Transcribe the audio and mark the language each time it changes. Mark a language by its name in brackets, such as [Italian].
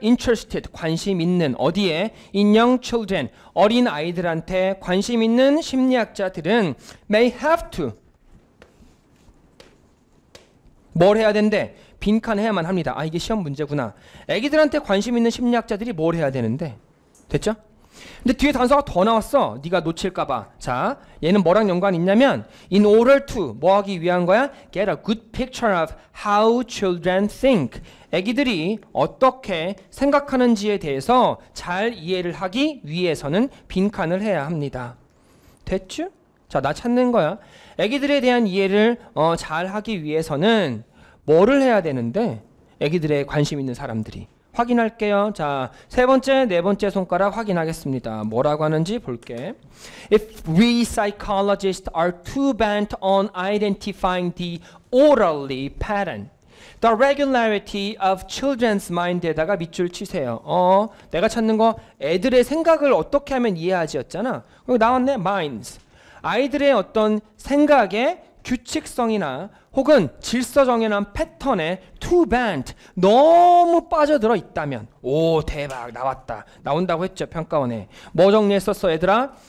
[Korean] Interested, 관심 있는. 어디에? [English] In young children, [Korean] 어린 아이들한테 관심 있는 심리학자들은 [English] may have to. [Korean] 뭘 해야 된대? 빈칸 해야만 합니다. 아, 이게 시험 문제구나. 애기들한테 관심 있는 심리학자들이 뭘 해야 되는데? 됐죠? 근데 뒤에 단서가 더 나왔어. 네가 놓칠까 봐. 자, 얘는 뭐랑 연관이 있냐면 [English] in order to [Korean] 뭐 하기 위한 거야? [English] get a good picture of how children think. [Korean] 애기들이 어떻게 생각하는지에 대해서 잘 이해를 하기 위해서는 빈칸을 해야 합니다. 됐죠? 자, 나 찾는 거야. 애기들에 대한 이해를 잘 하기 위해서는 뭐를 해야 되는데? 애기들의 관심 있는 사람들이 확인할게요. 자, 세 번째, 네 번째 손가락 확인하겠습니다. 뭐라고 하는지 볼게. [English] If we psychologists are too bent on identifying the orally pattern, the regularity of children's mind에다가 [Korean] 밑줄 치세요. 내가 찾는 거 애들의 생각을 어떻게 하면 이해하지였잖아. 그리고 나왔네, minds. 아이들의 어떤 생각에 규칙성이나 혹은 질서 정연한 패턴에 [English] too bent, [Korean] 너무 빠져들어 있다면. 오, 대박, 나왔다. 나온다고 했죠, 평가원에. 뭐 정리했었어, 얘들아?